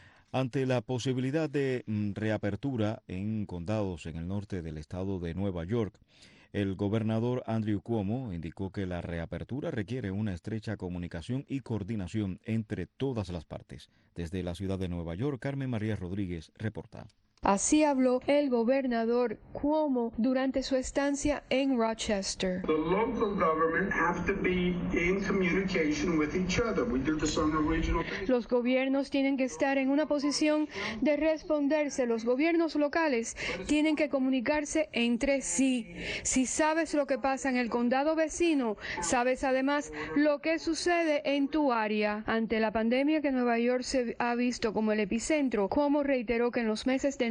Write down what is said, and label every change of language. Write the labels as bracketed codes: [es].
[es] Ante la posibilidad de reapertura en condados en el norte del estado de Nueva York, el gobernador Andrew Cuomo indicó que la reapertura requiere una estrecha comunicación y coordinación entre todas las partes. Desde la ciudad de Nueva York, Carmen María Rodríguez reporta. Así habló el gobernador Cuomo durante su estancia en Rochester. [en] The local government have to be in communication with each other. We did this on a regional basis. [es] Los gobiernos tienen que estar en una posición de responderse. Los gobiernos locales tienen que comunicarse entre sí. Si sabes lo que pasa en el condado vecino, sabes además lo que sucede en tu área. Ante la pandemia que Nueva York se ha visto como el epicentro, Cuomo reiteró que en los meses de